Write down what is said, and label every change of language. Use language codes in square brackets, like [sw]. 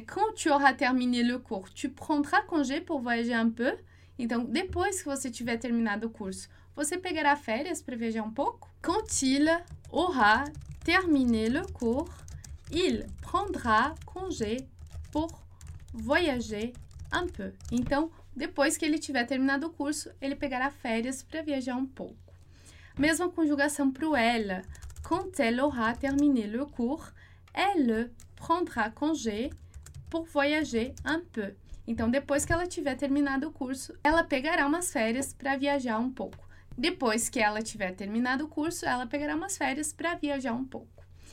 [fr] Quand tu auras terminé le cours, tu prendras congé pour voyager un peu? [pt] Então, depois que você tiver terminado o curso, você pegará férias para viajar um pouco? [fr] Quand il aura terminé le cours, il prendra congé pour voyager un peu. [pt] Então, depois que ele tiver terminado o curso, ele pegará férias para viajar um pouco. Mesma conjugação para o elle. [fr] Quand elle aura terminé le cours, elle prendra congé pour voyager un peu. [pt] Então, depois que ela tiver terminado o curso, ela pegará umas férias para viajar um pouco. Depois que ela tiver terminado o curso, ela pegará umas férias para viajar um pouco.